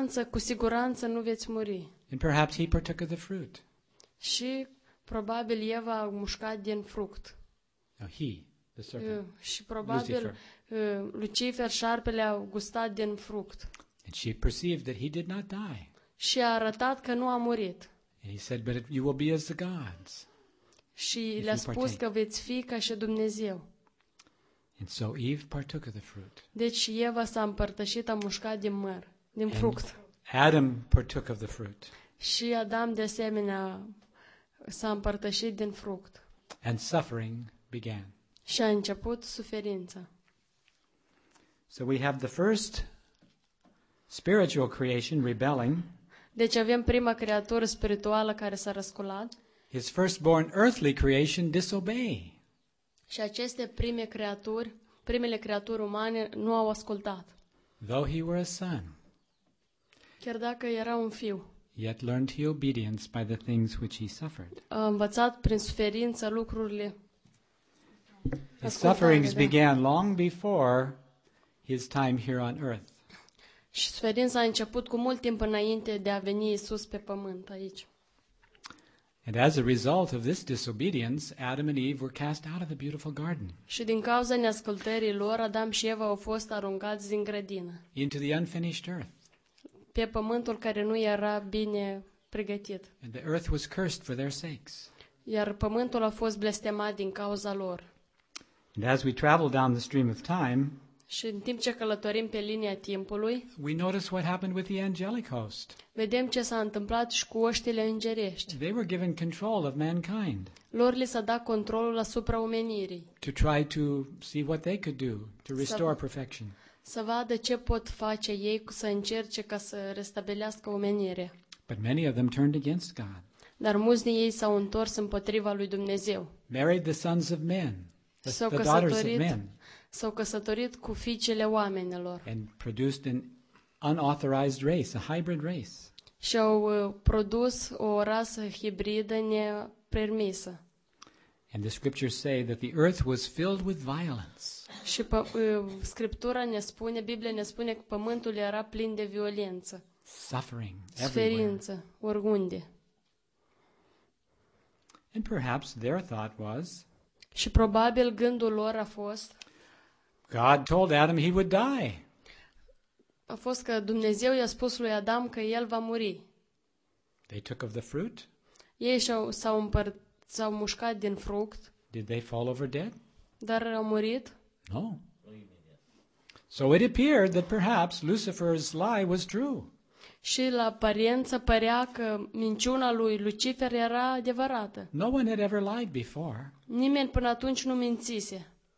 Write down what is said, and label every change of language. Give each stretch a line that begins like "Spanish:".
Romanian: Cu siguranță nu veți muri.
English: And perhaps he partook of the fruit.
Romanian: Și probabil Eva a mușcat din fruct.
English: Now he, the serpent.
Romanian: Și probabil Lucifer, șarpele a gustat din fruct.
English: And she perceived that he did not die.
Romanian: Și a arătat că nu a murit.
English: And he said, but you will be as the gods.
Romanian: Și le-a spus că veți fi ca și Dumnezeu.
English: And so Eve partook of the fruit.
Romanian: Deci Eva s-a împărtășit, a mușcat din măr, din fruct.
English: Adam partook of the fruit.
Romanian: Și Adam de asemenea s-a împărtășit din fruct.
English: And suffering began.
Romanian: Și a început suferința.
English: So we have the first spiritual creation rebelling.
Romanian: Deci avem prima creatură spirituală care s-a răsculat.
English: His firstborn earthly creation disobey.
Romanian: Și aceste prime creaturi, primele creaturi umane nu au ascultat.
English: Though he were a son.
Romanian: Chiar dacă era un fiu.
English: Yet learned he obedience by the things which he suffered.
Romanian: A învățat prin suferință lucrurile.
English: His sufferings began long before his time here on earth.
Romanian: Și suferința a început cu mult timp înainte de a veni Iisus pe pământ aici.
English: And as a result of this disobedience, Adam and Eve were cast out of the beautiful garden.
Romanian: Și din cauza neascultării lor, Adam și Eva au fost aruncați din grădină.
English: Into the unfinished earth.
Romanian: Pe pământul care nu era bine pregătit.
English: And the earth was cursed for their sakes.
Romanian: Iar pământul a fost blestemat din cauza lor.
English: And as we travel down the stream of time,
Romanian: și în timp ce călătorim pe linia timpului,
English: we notice what happened with the angelic host.
Romanian: Vedem ce s-a întâmplat și cu oștile îngerești.
English: They were given control of mankind.
Romanian: Lor li s-a dat controlul asupra omenirii.
English: To try to see what they could do to restore perfection.
Romanian: Să vadă ce pot face ei să încerce ca să restabilească omenirea.
English: But many of them turned against God.
Romanian: Dar mulți din ei s-au întors împotriva lui Dumnezeu.
English: Married the sons of men. The daughters of men.
Romanian: S-au căsătorit cu fiicele oamenilor.
English: And produced an unauthorized race, a hybrid race.
Romanian: Și-au produs o rasă hibridă nepermisă.
English: And the scriptures say that the earth was filled with violence.
Romanian: Și Scriptura ne spune, Biblia ne spune că pământul era plin de violență.
English: Suffering everywhere.
Romanian: Suferință oriunde.
English: And perhaps their thought was.
Romanian: Și probabil gândul lor a fost.
English: God told Adam he would die.
Romanian: A fost că Dumnezeu i-a spus lui Adam că el va muri.
English: They took of the fruit?
Romanian: Ei s-au mușcat din fruct.
English: Did they fall over dead?
Romanian: Dar au murit?
English: No. So it appeared that perhaps Lucifer's lie was true.
Romanian: Și la aparență părea că minciuna lui Lucifer era adevărată.
English: No one had ever lied before.
Romanian: Nimeni până atunci nu mințise.